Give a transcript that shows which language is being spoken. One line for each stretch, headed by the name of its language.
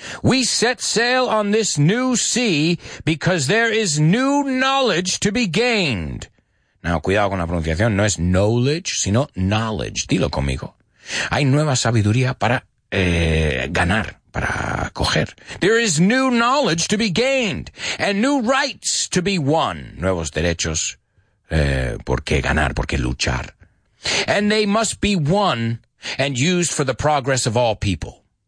English: We set sail on this new sea because there is new knowledge to be gained.
Spanish: Now, cuidado con la pronunciación. No es knowledge, sino knowledge. Dilo conmigo. Hay nueva sabiduría para ganar, para coger.
English: There is new knowledge to be gained and new rights to be won.
Spanish: Nuevos derechos por qué ganar, por qué luchar.
English: And they must be won and used for the progress of all people.